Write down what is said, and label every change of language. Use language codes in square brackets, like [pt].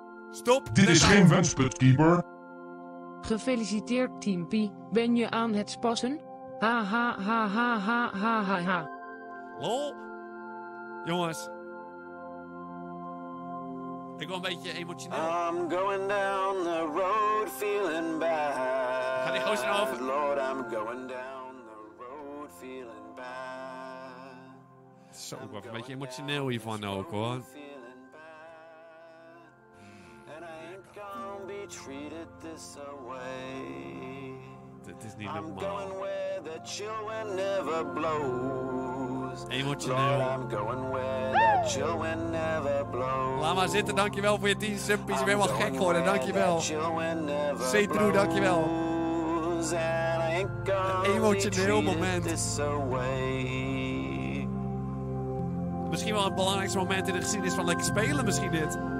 [nl] Stop de tijd. Dit is geen wenspunt, keeper. Gefeliciteerd, Team P, ben je aan het spassen? Ha ha ha ha ha ha ha ha. Lol. Jongens. Ik wil een beetje emotioneel. [en] I'm going down the road feeling bad. [nl] Ga die gozer nou over? [en] Lord, I'm going down the road feeling bad. [nl] Zo, ik word een beetje emotioneel hiervan ook, hoor. [en] And I ain't gonna be treated this away. [nl] Dit is niet normaal. [en] I'm going where the chill wind never blows. [nl] Emotioneel. [en] Lord, I'm going where the chill wind never blows. [nl] Laat maar zitten, dankjewel voor je 10 subpies. Je bent wel gek geworden, dankjewel. [en] Say [nl] true, dankjewel. [en] And I ain't gonna [nl] een emotioneel moment. [en] This away. [nl] Misschien wel het belangrijkste moment in de geschiedenis van lekker spelen, misschien dit.